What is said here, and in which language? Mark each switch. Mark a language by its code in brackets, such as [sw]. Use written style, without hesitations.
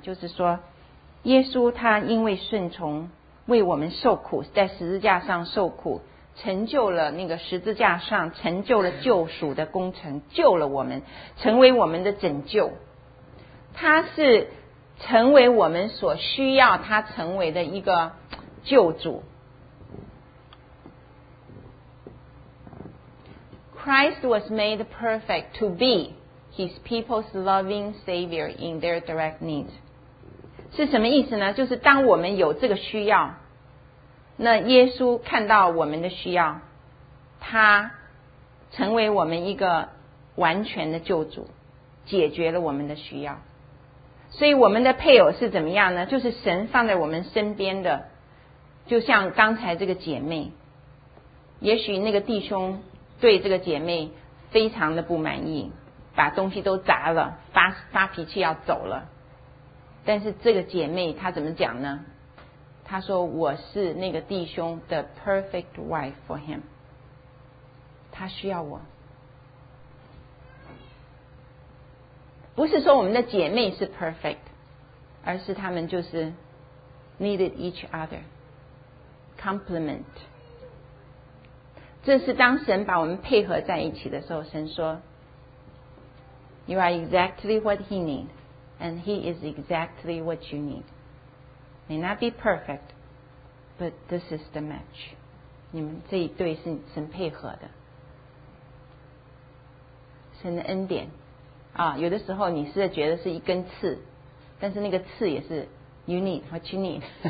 [zh] 就是说，耶稣他因为顺从，为我们受苦，在十字架上受苦，成就了那个十字架上成就了救赎的工程，救了我们，成为我们的拯救。他是成为我们所需要他成为的一个救主。 [en] Christ was made perfect to be his people's loving savior in their direct need. [zh] 是什么意思呢？就是当我们有这个需要，那耶稣看到我们的需要，他成为我们一个完全的救主，解决了我们的需要。所以我们的配偶是怎么样呢？就是神放在我们身边的，就像刚才这个姐妹，也许那个弟兄对这个姐妹非常的不满意，把东西都砸了，发脾气要走了。但是这个姐妹她怎么讲呢？她说我是那个弟兄 [en] the perfect wife for him， [zh] 她需要我。不是说我们的姐妹是 perfect， 而是她们就是 [en] needed each other， [zh] complement。这是当神把我们配合在一起的时候，神说 [en] You are exactly what he need and he is exactly what you need. May not be perfect but this is the match， [zh] 你们这一对是神配合的，神的恩典啊，有的时候你是觉得是一根刺，但是那个刺也是 [en] you need what you need。